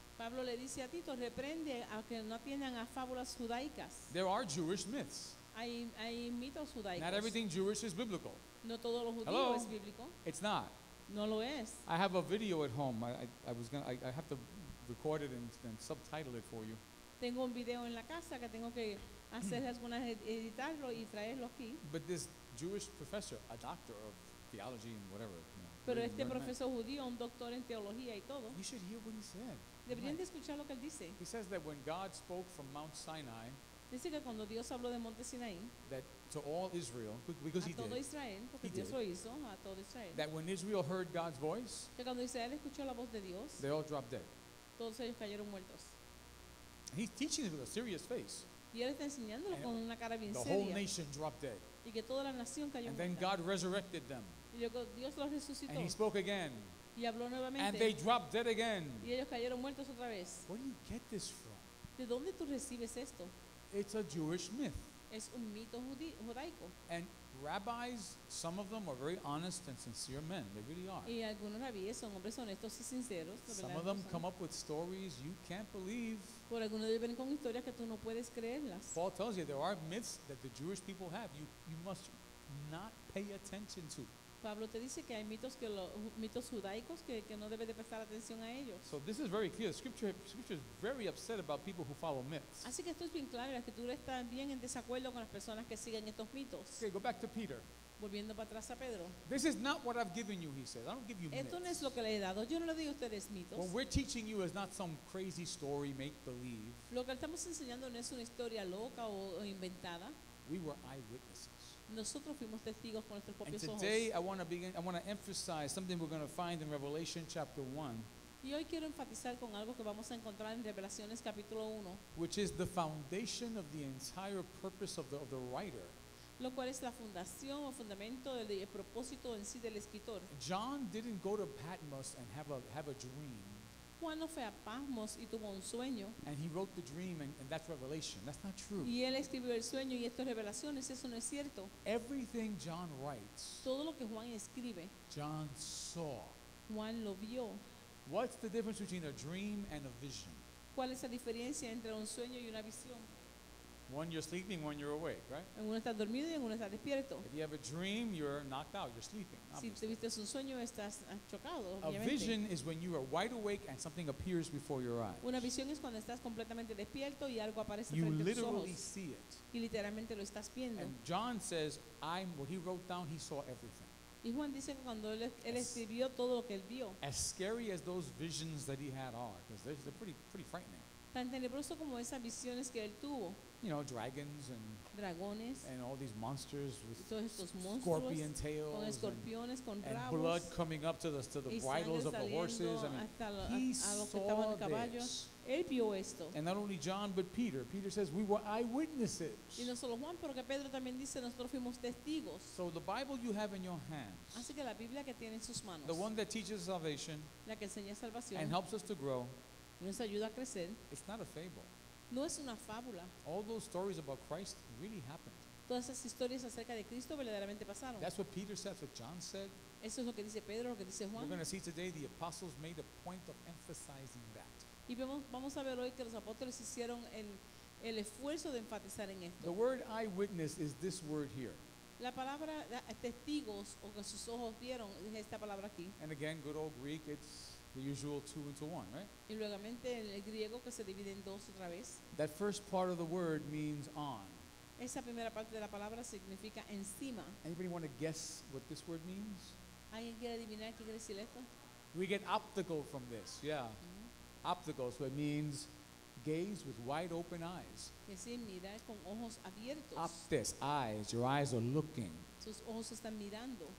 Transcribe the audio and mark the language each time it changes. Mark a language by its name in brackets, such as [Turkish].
[Spanish] Pablo le dice a Tito, reprende a que no atiendan a fábulas judaicas. [English] There are Jewish myths. [Spanish] Hay mitos judaicos. [English] Not everything Jewish is biblical. [Spanish] No todo lo judío [English] Hello? [Spanish] Es bíblico. [English] It's not. [Spanish] No lo es. [English] I have a video at home. I have to record it and subtitle it for you. [Spanish] Tengo un video en la casa que tengo que hacer algunas editarlo y traerlo aquí. [English] But this Jewish professor, a doctor of theology and whatever, you know. [Spanish] Pero este profesor judío, un doctor en teología y todo. [English] You should hear what he said. [Spanish] Deberían de escuchar lo que él dice. [English] He says that when God spoke from Mount Sinai, [Spanish] dice que cuando Dios habló de Monte Sinaí, [English] that to all Israel, because he did. [Spanish] A todo Israel, porque Dios lo hizo, a todo Israel. [English] That when Israel heard God's voice, [Spanish] que cuando Israel escuchó la voz de Dios, [English] they all dropped dead. [Spanish] Todos ellos cayeron muertos. [English] And he's teaching it with a serious face. [Spanish] Y él está enseñándolo con una cara bien [English] the [Spanish] seria. [English] Whole nation dropped dead. [Spanish] Y que toda la nación cayó [English] and then [Spanish] muerta. [English] God resurrected them. [Spanish] Y luego Dios los resucitó. [English] And he spoke again. [Spanish] Y habló nuevamente. [English] And they dropped dead again. [Spanish] Y ellos cayeron muertos otra vez. [English] Where do you get this from? [Spanish] ¿De dónde tú recibes esto? [English] It's a Jewish myth. [Spanish] Es un mito judaico. [English] And rabbis, some of them are very honest and sincere men. They really are. [Spanish] Y algunos rabíes son hombres honestos y sinceros. [English] Some of them come up with stories you can't believe. [Spanish] Por algunos de ellos vienen con historias que tú no puedes creerlas. [English] Paul tells you there are myths that the Jewish people have. You must not pay attention to. [Spanish] Pablo te dice que hay mitos que los mitos judaicos que no debes de prestar atención a ellos. [English] So this is very clear. Scripture is very upset about people who follow myths. [Spanish] Así que esto es bien claro. La escritura está bien en desacuerdo con las personas que siguen estos mitos. [English] Okay, go back to Peter. [Spanish] Volviendo para atrás a Pedro. [English] This is not what I've given you, he says. I don't give you [Spanish] esto Esto no es lo que le he dado. Yo no le doy a ustedes mitos. [English] What we're teaching you is not some crazy story make believe. [Spanish] Lo que estamos enseñando no es una historia loca o inventada. [English] We were eyewitnesses. [Spanish] Nosotros fuimos testigos con nuestros propios ojos. [English] And today I want to emphasize something we're going to find in Revelation chapter 1. [Spanish] Y hoy quiero enfatizar con algo que vamos a encontrar en Revelaciones capítulo 1. [English] Which is the foundation of the entire purpose of the writer. [Spanish] Lo cual es la fundación o fundamento del propósito en sí del escritor. [English] John didn't go to Patmos and have a dream. [Spanish] Juan no fue a Patmos y tuvo un sueño. [English] And he wrote the dream and that's revelation. That's not true. [Spanish] Y él escribió el sueño y esto es revelaciones. Eso no es cierto. [English] Everything John writes, [Spanish] todo lo que Juan escribe, [English] John saw. [Spanish] Juan lo vio. [English] What's the difference between a dream and a vision? [Spanish] ¿Cuál es la diferencia entre un sueño y una visión? [English] One you're sleeping, one you're awake, right? [Spanish] Uno está dormido y uno está despierto. [English] If you have a dream, you're knocked out, you're sleeping. Obviously. [Spanish] Si tuviste un sueño, estás chocado, obviamente. [English] A vision is when you are wide awake and something appears before your eyes. [Spanish] Una visión es cuando estás completamente despierto y algo aparece frente a tus ojos. [English] You literally see it. [Spanish] Y literalmente lo estás viendo. [English] And John says, what he wrote down, he saw everything. [Spanish] Y Juan dice que cuando él escribió todo lo que él vio. [English] As scary as those visions that he had are, because they're pretty frightening. [Spanish] Tan tenebroso como esas visiones que él tuvo. [English] You know, dragons and [Spanish] dragones, [English] and all these monsters with [Spanish] monstruos, [English] scorpion tails [Spanish] con escorpiones, [English] and, [Spanish] con rabos, [English] and blood coming up to the bridles of the horses. I mean, he saw this. And not only John, but Peter. Peter says, we were eyewitnesses. [Spanish] Y no solo Juan, pero que Pedro también dice, nosotros fuimos testigos. [English] So the Bible you have in your hands, [Spanish] así que la Biblia que tiene en sus manos, [English] the one that teaches salvation, [Spanish] la que enseña salvación, [English] and helps us to grow, [Spanish] nos ayuda a crecer. [English] It's not a fable. [Spanish] No es una fábula. [English] All those stories about Christ really happened. [Spanish] Todas esas historias acerca de Cristo verdaderamente pasaron. [English] That's what Peter said, that's what John said. [Spanish] Eso es lo que dice Pedro, lo que dice Juan. [English] We're going to see today the apostles made a point of emphasizing that. [Spanish] Y vamos a ver hoy que los apóstoles hicieron el esfuerzo de enfatizar en esto. [English] The word eyewitness is this word here. [Spanish] La palabra testigos o que sus ojos vieron es esta palabra aquí. [English] And again, good old Greek, it's the usual two into one, right? [Spanish] Y luegamente en el griego que se divide en dos otra vez. [English] That first part of the word means on. [Spanish] Esa primera parte de la palabra significa encima. [English] Anybody want to guess what this word means? [Spanish] ¿Alguien quiere adivinar qué quiere decir esto? [English] We get optical from this, yeah. Mm-hmm. Optical, so it means gaze with wide open eyes. [Spanish] Que sí, mirar con ojos abiertos. [English] Optes, eyes, your eyes are looking. [Spanish] Sus ojos están mirando.